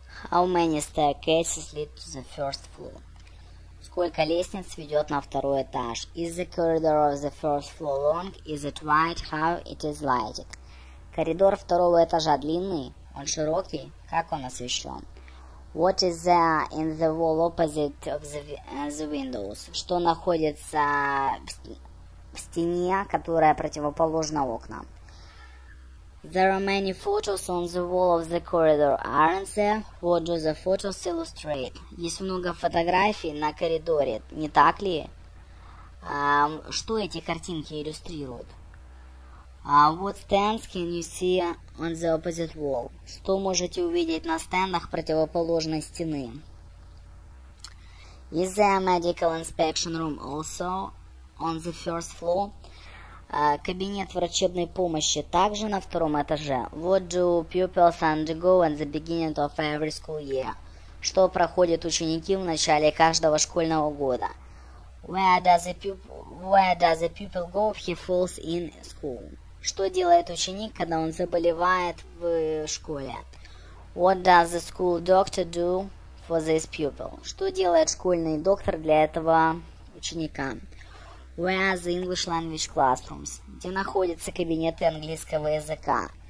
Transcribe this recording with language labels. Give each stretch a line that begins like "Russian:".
English: How many staircases lead to the first floor?
Russian: Сколько лестниц ведет на второй этаж?
English: Is the corridor of the first floor long? Is it wide? How it is lighted?
Russian: Коридор второго этажа длинный? Он широкий? Как он освещен?
English: What is there in the wall opposite of the windows?
Russian: Что находится в стене, которая противоположна окнам?
English: There are many photos on the wall of the corridor, aren't there? What do the photos illustrate?
Russian: Есть много фотографий на коридоре, не так ли? Что эти картинки иллюстрируют?
English: What stands can you see on the opposite wall?
Russian: Что можете увидеть на стендах противоположной стены?
English: Is there a medical inspection room also on the first floor?
Russian: Кабинет врачебной помощи также на втором этаже.
English: What do pupils undergo at the beginning of every school year?
Russian: Что проходят ученики в начале каждого школьного года?
English: Where does the pupil go if he falls in school?
Russian: Что делает ученик, когда он заболевает в школе?
English: What does the school doctor do for this pupil?
Russian: Что делает школьный доктор для этого ученика?
English: Where are the English language classrooms?
Russian: Где находятся кабинеты английского языка?